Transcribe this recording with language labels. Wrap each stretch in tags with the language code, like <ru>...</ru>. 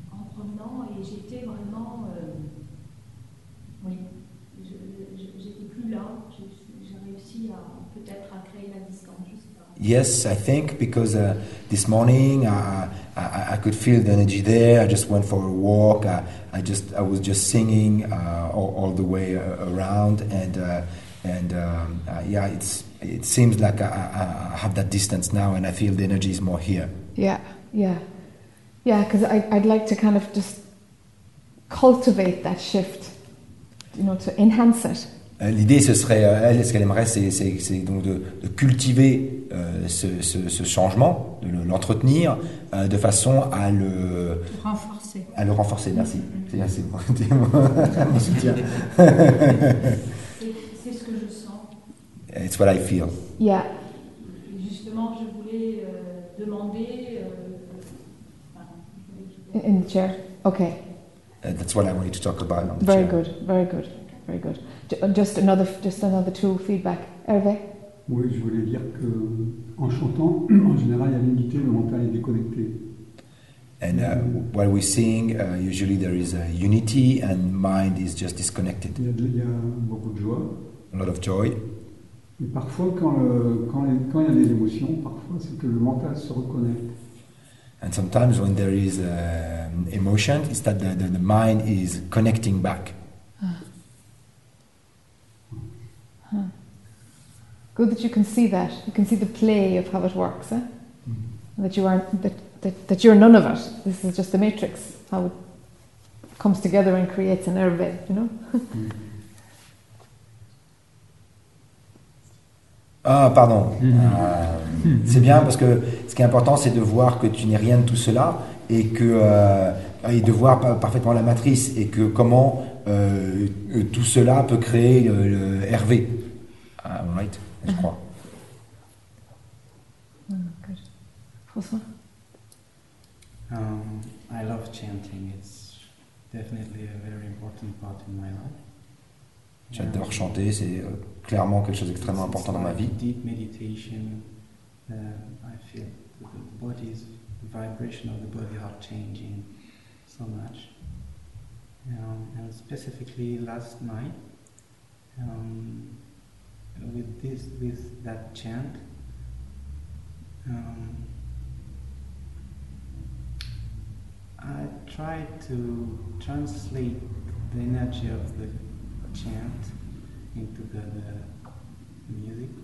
<fr>en promenant, et j'étais vraiment j'étais plus là, j'ai réussi à peut-être à créer la distance, je sais pas.</fr> <en>Yes, I think, because this morning I could feel the energy there. I just went for a walk. I was just singing all the way around, and it seems like I have that distance now, and I feel the energy is more here. Yeah, because I'd like to kind of just cultivate that shift, you know, to enhance it.</en> <fr>L'idée, ce serait, elle, ce qu'elle aimerait, c'est donc de cultiver ce changement, de l'entretenir, de façon à le... Renforcer. À le renforcer, merci. Mm-hmm. C'est bon, c'est mon soutien. C'est ce que je sens.</fr> <en>It's what I feel. Yeah.</en> <fr>Justement, je voulais demander...</fr> <en>In the chair, okay. That's what I wanted to talk about. On the very chair. Good, very good. Very good. Just another tool feedback. Hervé?</en> <fr>Oui, je voulais dire que en chantant, en général, il y a l'unité, le mental est déconnecté.</fr> <en>And while we sing, usually there is a unity and mind is just disconnected.</en> <fr>Il y a beaucoup de joie.</fr> <en>A lot of joy.</en> <fr>Et parfois, quand il y a des émotions, parfois c'est que le mental se reconnecte.</fr> <en>And sometimes when there is emotion, it's that the mind is connecting back. Good that you can see that. You can see the play of how it works, eh? Mm-hmm. That you aren't that you're none of it. This is just the matrix, how it comes together and creates an Hervé, you know?</en> <fr>Ah, pardon. Mm-hmm. C'est bien parce que ce qui est important, c'est de voir que tu n'es rien de tout cela et que et de voir parfaitement la matrice et que comment tout cela peut créer le Hervé.</fr> <en>Right,</en> <fr>je crois.</fr> <en>I love chanting. It's definitely a very important part in my life.</en> <fr>J'adore chanter. C'est clairement quelque chose d'extrêmement important dans ma vie.</fr> <en>Deep meditation. I feel the body's vibration of the body are changing so much. And specifically last night. With that chant, I tried to translate the energy of the chant into the music.</en>